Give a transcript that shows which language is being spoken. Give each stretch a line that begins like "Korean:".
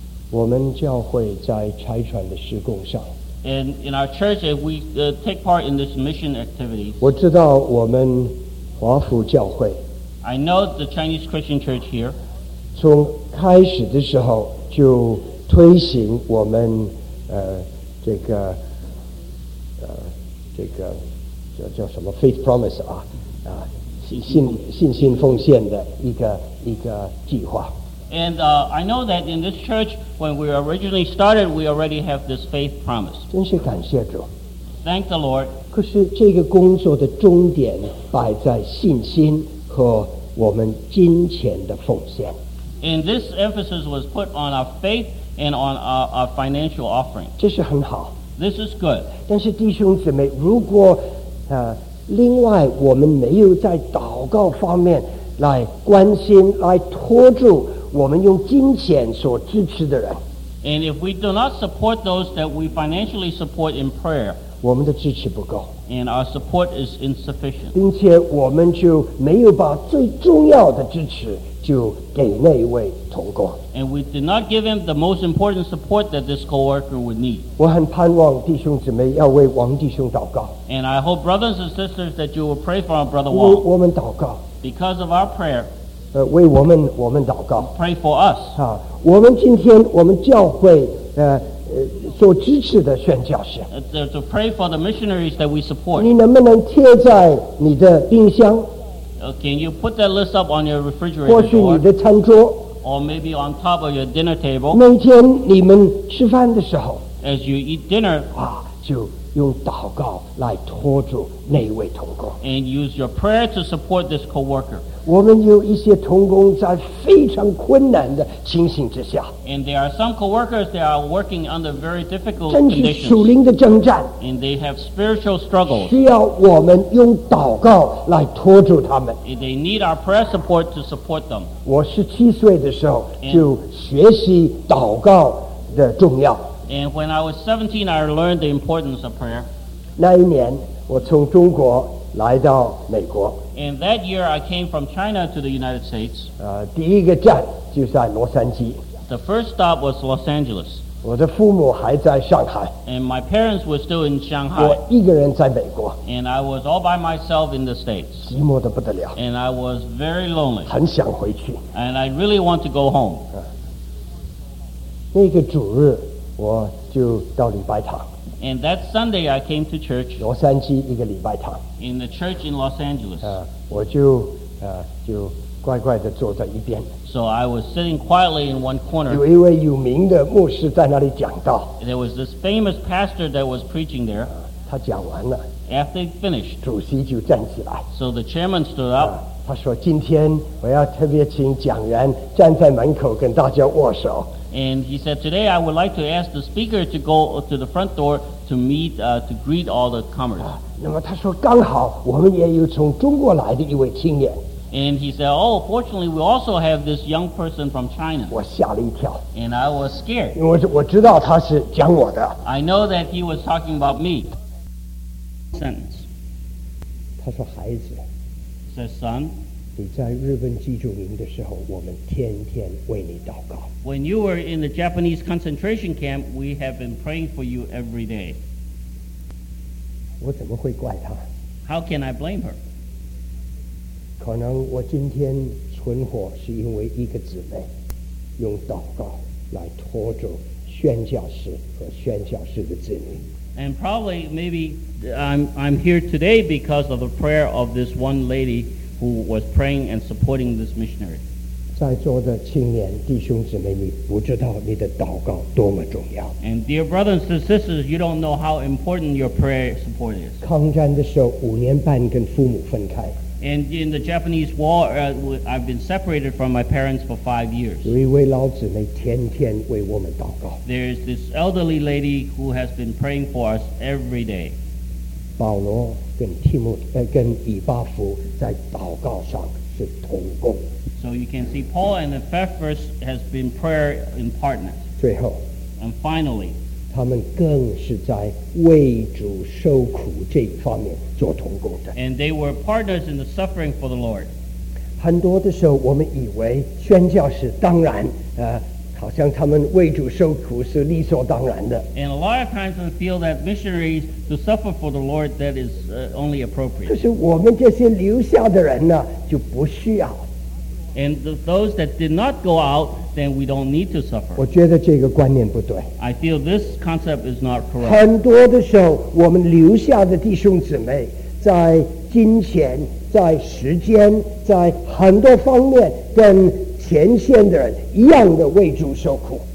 Chinese: 我们教会在拆船的施工上。
English: And in our church, if we take part in this mission activity,
Chinese: 我知道我们。华府教会
English: I know the Chinese Christian Church here
Chinese: 从开始的时候就推行我们叫什么 Faith Promise 信心奉献的一个计划
English: And I know that in this church when we originally started we already have this Faith Promise
Chinese: 真是感谢主
English: Thank the Lord
Chinese: 可是这个工作的终点摆在信心和我们金钱的奉献。
English: And this emphasis was put on our faith and on our financial offering.
Chinese: 这是很好。
English: This is good.
Chinese: 但是弟兄姊妹，如果另外我们没有在祷告方面来关心、来托住我们用金钱所支持的人。
English: And if we do not support those that we financially support in prayer,
Chinese: 我们的支持不够
English: and our support is insufficient.
Chinese: 并且我们就没有把最重要的支持就给那位同工
English: and we did not give him the most important support that this co-worker would need.
Chinese: 我很盼望弟兄姊妹要为王弟兄祷告
English: and I hope brothers and sisters that you will pray for our brother Wang.
Chinese: 我们祷告
English: because of our prayer.
Chinese: 为我们祷告
English: pray for us.
Chinese: 我们今天我们教会所支持的宣教士
English: to pray for the missionaries that we support
Chinese: 你能不能贴在你的冰箱
English: can you put that list up on your refrigerator
Chinese: 或许你的餐桌
English: or maybe on top of your dinner table
Chinese: 每天你们吃饭的时候
English: as you eat dinner
Chinese: 就用祷告来托住那位同工
English: and use your prayer to support this co-worker
Chinese: 我们有一些同工在非常困难的情形之下
English: and there are some co-workers that are working under very difficult
Chinese: 真是属灵的征战
English: and they have spiritual struggles
Chinese: 需要我们用祷告来托住他们
English: they need our prayer support to support them
Chinese: 我17岁的时候就学习祷告的重要
English: And when I was 17, I learned the importance of prayer.
Chinese: 那一年，我从中国来到美国。
English: And that year, I came from China to the United States.
Chinese: 第一个站就在洛杉矶。
English: The first stop was Los Angeles.
Chinese: 我的父母还在上海。
English: And my parents were still in Shanghai.
Chinese: 我一个人在美国。
English: And I was all by myself in the States.
Chinese: 寂寞得不得了。
English: And I was very lonely.
Chinese: 很想回去。
English: And I really want to go home.
Chinese: 那个主日。我就到礼拜堂
English: And that Sunday I came to church
Chinese: 洛杉矶一个礼拜堂
English: In the church in Los Angeles
Chinese: 我就就乖乖地坐在一边
English: So I was sitting quietly in one corner
Chinese: 有一位有名的牧师在那里讲道
English: There was this famous pastor that was preaching there
Chinese: 他讲完了
English: After he finished
Chinese: 主席就站起来
English: So the chairman stood up
Chinese: 他说今天我要特别请讲员站在门口跟大家握手。
English: And he said, today I would like to ask the speaker to go to the front door to meet, to greet all the comers.
Chinese: 那么他说刚好我们也有从中国来的一位青年。
English: And he said, oh, fortunately, we also have this young person from China.
Chinese: 我吓了一跳。
English: And I was scared.
Chinese: 因为我知道他是讲我的。
English: I know that he was talking about me. Sentence.
Chinese: 他说孩子。
English: Says, son.
Chinese: 你在日本集中营的时候，我们天天为你祷告。
English: When you were in the Japanese concentration camp, we have been praying for you every day.
Chinese: 我怎么会怪他？
English: How can I blame her?
Chinese: 可能我今天存活是因为一个姊妹用祷告来拖住宣教士和宣教士的子民。
English: And probably maybe I'm here today because of the prayer of this one lady. Who was praying and supporting this missionary?
Chinese: 在座的青年弟兄姊妹，你不知道你的祷告多么重要。
English: And dear brothers and sisters, you don't know how important your prayer support is.
Chinese: 抗战的时候，五年半跟父母分开。
English: And in the Japanese war, I've been separated from my parents for 5 years.
Chinese: 有一位老姊妹天天为我们祷告。
English: There is this elderly lady who has been praying for us every day.
Chinese: 保罗跟提摩跟以巴弗在祷告上是同工。
English: So you can see Paul and Epaphras has been prayer in partners.
Chinese: 最后
English: ，and finally，
Chinese: 他们更是在为主受苦这一方面做同工的。
English: And they were partners in the suffering for the Lord.
Chinese: 很多的时候，我们以为宣教士当然好像他们为主受苦是理所当然的。
English: And a lot of times we feel that missionaries to suffer for the Lord, that is only appropriate.
Chinese: 可是我们这些留下的人呢，就不需要。
English: And those that did not go out, then we don't need to suffer.
Chinese: 我觉得这个观念不对。
English: I feel this concept is not correct.
Chinese: 很多的时候，我们留下的弟兄姊妹，在金钱、在时间、在很多方面跟前线的人一样的为主受苦。